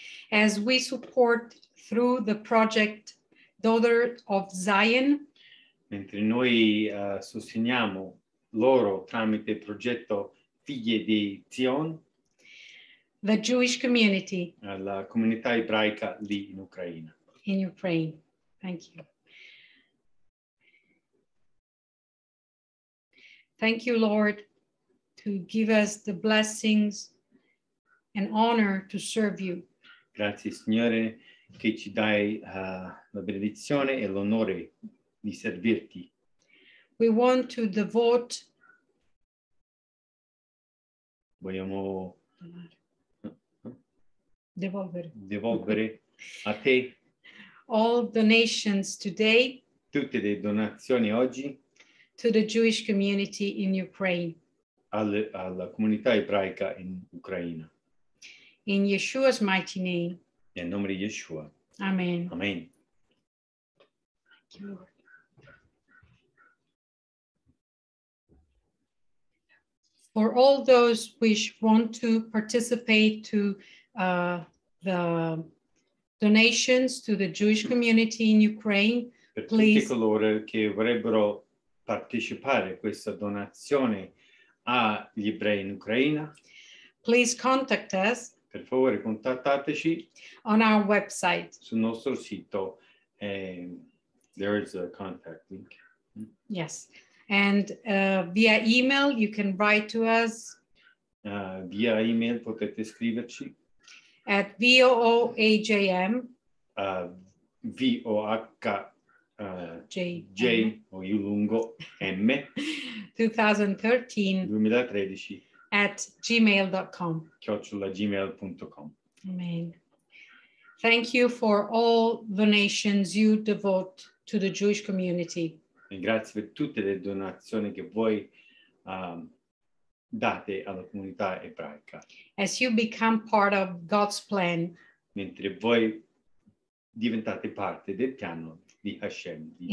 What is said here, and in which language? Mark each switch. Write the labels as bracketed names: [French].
[English] As we support through the project Daughter of Zion. [Italian] Mentre noi sosteniamo loro tramite il progetto Figlie di Zion. [English] The Jewish community. [Italian] La comunità ebraica lì in Ucraina. [English] In Ukraine. Thank you. Thank you, Lord, to give us the blessings and honor to serve you. [Italian] Grazie, Signore, che ci dai la benedizione e l'onore di servirti. [English] We want to devote. [Italian] Vogliamo devolvere a te. [English] All donations today. [Italian] Tutte le donazioni oggi. [English] To the Jewish community in Ukraine. [Italian] Alla comunità ebraica in Ucraina. [English] In Yeshua's mighty name. [Italian] Nel nome di Yeshua. [English] Amen. [Italian] Amen. [English] Thank you, Lord. For all those which want to participate to the donations to the Jewish community in Ukraine, [Italian] per [English] please. [Italian] Tutti coloro che vorrebbero partecipare a questa donazione agli ebrei in Ucraina. [English] Please contact us. [Italian] Per favore contattateci. [English] On our website. [Italian] Sul nostro sito. [English] There is a contact link. Yes. And via email you can write to us. [Italian] Via email potete scriverci. [English] At VOOAJM. VOHJM 2013 at gmail.com @gmail.com. Amen. Thank you for all donations you devote to the Jewish community. [Italian] E grazie per tutte le donazioni che voi date alla comunità ebraica. [English] As you become part of God's plan, [Italian] mentre voi diventate parte del piano di Hashem di